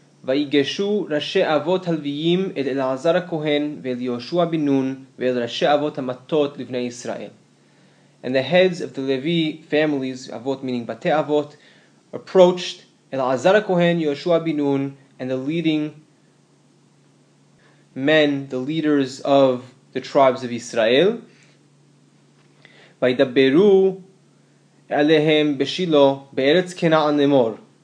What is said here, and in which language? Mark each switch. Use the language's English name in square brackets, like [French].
[Hebrew] ויגשו ראשי אבות הלוויים אל אלעזר הכהן ואל יהושע בן נון ואל ראשי אבות המטות לבני ישראל. [English] And the heads of the Levi families, avot meaning bate avot, approached Elazar Kohen, Yehoshua bin Nun, and the leading men, the leaders of the tribes of Israel. [Hebrew] וידברו אליהם בשילו בארץ כנען לאמור.